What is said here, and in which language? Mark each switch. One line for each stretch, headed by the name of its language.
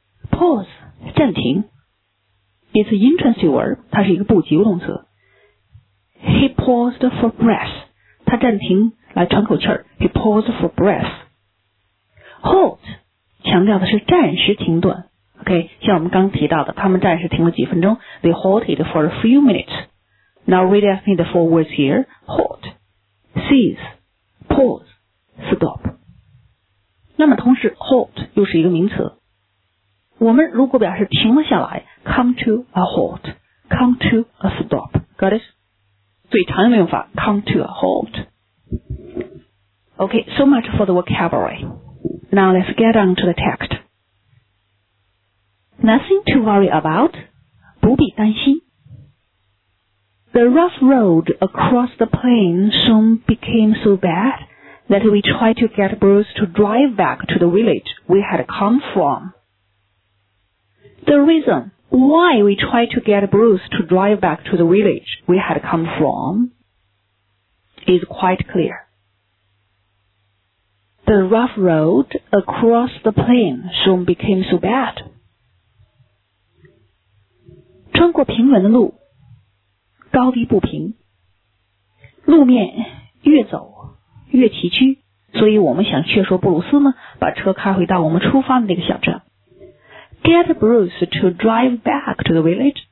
Chinese: Pause, 暂停。
English: It's an interesting word,
Chinese: 它是一个不及物动词。
English: He paused for breath,
Chinese: 他暂停来喘口气儿。
English: He paused for breath. Halt, 强调的是暂时停顿。
Chinese: OK, 像我们刚提到的，他们暂时停了几分钟。
English: They halted for a few minutes. Now read at me the four words here. Halt, cease, pause, stop.
Chinese: 那么同时 halt 又是一个名词。我们如果表示停了下来
English: come to a halt, come to a stop, got it?
Chinese: 最常用的用法
English: come to a halt. OK, so much for the vocabulary. Now let's get on to the text. Nothing to worry about,
Chinese: 不必担心。
English: The rough road across the plain soon became so bad that we tried to get Bruce to drive back to the village we had come from. The reason why we tried to get Bruce to drive back to the village we had come from is quite clear. The rough road across the plain soon became so bad.
Chinese: 穿过平原的路高低不平，路面越走越崎岖，所以我们想劝说布鲁斯呢把车开回到我们出发的那个小镇。
English: Get Bruce to drive back to the village.